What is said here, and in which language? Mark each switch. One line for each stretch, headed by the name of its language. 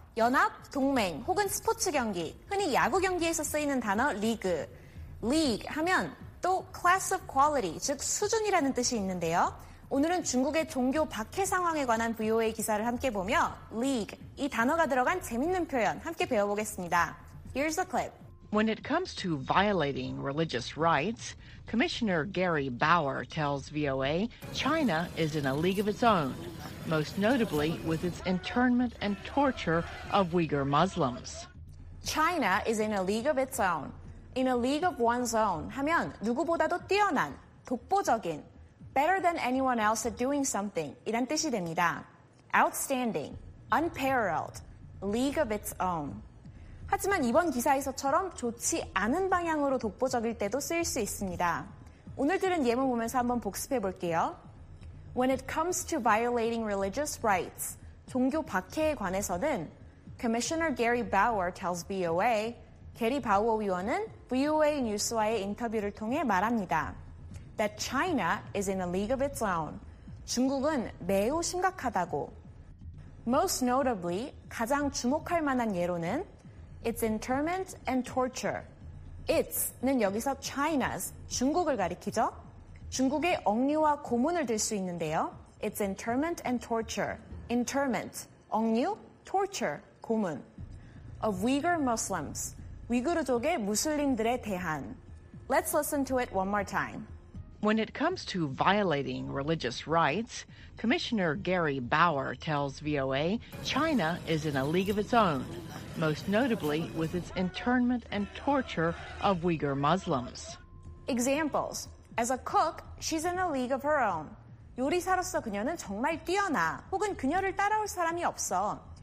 Korean: 연합, 동맹, 혹은 스포츠 경기, 흔히 야구 경기에서 쓰이는 단어 리그. League 하면 또
English: class of quality,
Korean: 즉 수준이라는 뜻이 있는데요. 오늘은 중국의 종교 박해 상황에 관한 VOA 기사를 함께 보며 League, 이 단어가 들어간 재밌는 표현 함께 배워보겠습니다.
English: Here's the clip. When it comes to violating religious rights, Commissioner Gary Bauer tells VOA China is in a league of its own, most notably with its internment and torture of Uyghur Muslims. China is in a league of its own. In a league of one's own
Korean: 하면 누구보다도 뛰어난, 독보적인,
English: better than anyone else at doing something
Korean: 이란 뜻이 됩니다.
English: Outstanding, unparalleled, league of its own.
Korean: 하지만 이번 기사에서처럼 좋지 않은 방향으로 독보적일 때도 쓰일 수 있습니다. 오늘 들은 예문 보면서 한번 복습해 볼게요.
English: When it comes to violating religious rights,
Korean: 종교 박해에 관해서는
English: Commissioner Gary Bauer tells VOA,
Korean: 게리 바우어 위원은 VOA 뉴스와의 인터뷰를 통해 말합니다.
English: That China is in a league of its own.
Korean: 중국은 매우 심각하다고.
English: Most notably,
Korean: 가장 주목할 만한 예로는
English: It's internment and torture.
Korean: It's는 여기서 China's, 중국을 가리키죠. 중국의 억류와 고문을 들 수 있는데요.
English: It's internment and torture. Internment, 억류, torture, 고문. Of Uyghur Muslims,
Korean: 위구르족의 무슬림들에 대한.
English: Let's listen to it one more time. When it comes to violating religious rights, Commissioner Gary Bauer tells VOA China is in a league of its own, most notably with its internment and torture of Uyghur Muslims. Examples. As a cook, she's in a league of her own.
Korean: 요리사로서 그녀는 정말 뛰어나, 혹은 그녀를 따라올 사람이 없어.